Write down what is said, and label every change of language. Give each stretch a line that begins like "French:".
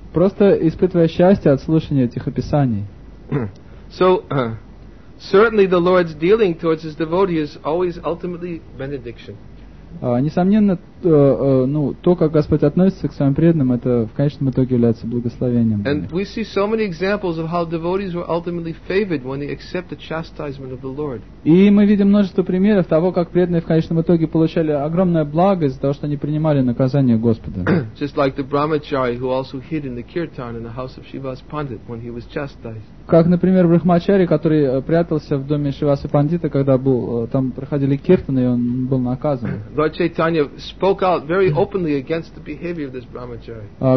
Russian: Просто испытывая счастье от слушания этих описаний.
English: So, certainly the Lord's dealing towards his devotee is always ultimately benediction.
Russian: Несомненно, то, как Господь относится к своим преданным, это в конечном итоге является благословением.
English: And we see so many examples of how devotees were ultimately favored when they accept the chastisement of the Lord.
Russian: И мы видим множество примеров того, как преданные в конечном итоге получали огромное благо из-за того, что они принимали наказание Господа.
English: Just like the brahmachari who also hid in the kirtan in the house of Shiva's pandit when he was chastised.
Russian: Как, например, брахмачари, который прятался в доме Шивасы Пандита, когда был, там проходили киртаны, и он был наказан.
English: Lord Chaitanya spoke out very openly against the behavior of this brahmachari.